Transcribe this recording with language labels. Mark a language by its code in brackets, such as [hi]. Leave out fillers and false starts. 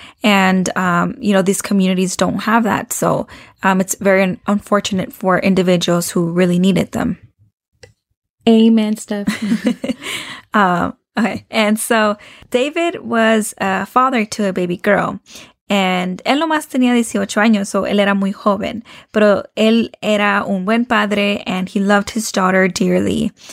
[en] And, you know, these communities don't have that. So it's very unfortunate for individuals who really needed them. Amen, Steph. Okay. And so David was a father to a baby girl. [es] And él nomás tenía 18 años, so él era muy joven. Pero él era un buen padre, [en] and he loved his daughter dearly.